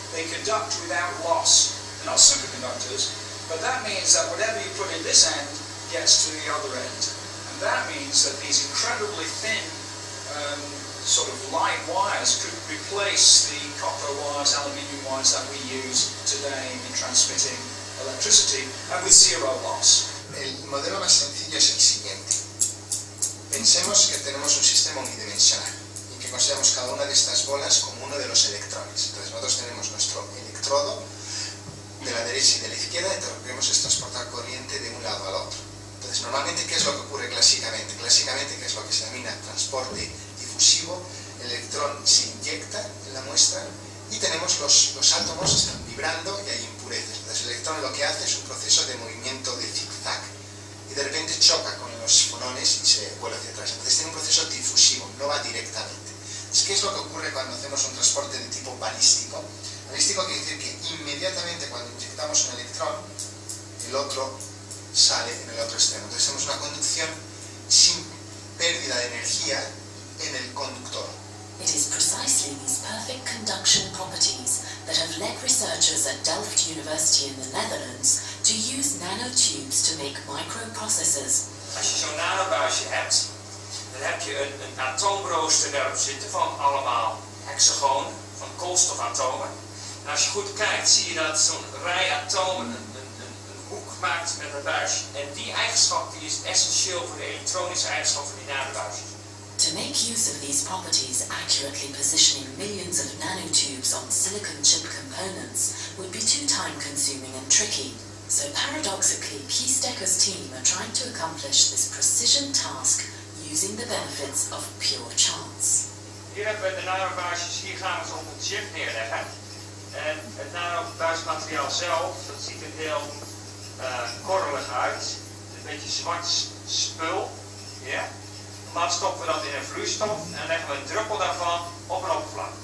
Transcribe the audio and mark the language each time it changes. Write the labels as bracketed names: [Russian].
[English] They conduct without loss. They're not superconductors, but that means that whatever you put in this end gets to the other end. And that means that these incredibly thin sort of light wires could replace the copper wires, aluminium wires that we use today in transmitting electricity, and with zero loss. [Spanish] El modelo más sencillo es el siguiente. Pensemos que tenemos un sistema unidimensional y que consideramos cada una de estas bolas como uno de los electrones. Entonces nosotros tenemos nuestro electrodo de la derecha y de la izquierda y interrumpimos es transportar corriente de un lado al otro. Entonces normalmente, ¿qué es lo que ocurre clásicamente? Clásicamente, ¿qué es lo que se denomina transporte difusivo? El electrón se inyecta en la muestra y tenemos los átomos están vibrando y hay impurezas. Entonces el electrón lo que hace es un proceso de movimiento de zigzag y de repente choca con los fonones y se vuelve hacia atrás. Entonces tiene un proceso difusivo, no va directamente. Entonces, ¿qué es lo que ocurre cuando hacemos un transporte de tipo balístico? Balístico quiere decir que inmediatamente cuando inyectamos un electrón, el otro sale en el otro extremo. Entonces tenemos una conducción sin pérdida de energía en el conductor. [English] It is precisely these perfect conduction properties that have led researchers at Delft University in the Netherlands to use nanotubes to make microprocessors. [Dutch] Als je zo'n nanobuisje hebt, dan heb je een atoomrooster daarop zitten van allemaal hexagonen, van koolstofatomen. En als je goed kijkt, zie je dat zo'n rij atomen een hoek maakt met een buisje. En die eigenschap die is essentieel voor de elektronische eigenschap van die nanobuisjes. [English] To make use of these properties, accurately positioning millions of nanotubes on silicon chip components would be too time-consuming and tricky. So paradoxically, Keystecker's team are trying to accomplish this precision task using the benefits of pure chance. [Dutch] Hier hebben we de nanobuisjes, hier gaan we ze op een chip neerleggen. En het nanobuismateriaal zelf, dat ziet er heel korrelig uit. Een beetje zwart spul, yeah. Maar stoppen we dat in een vloeistof en leggen we een druppel daarvan op een oppervlak.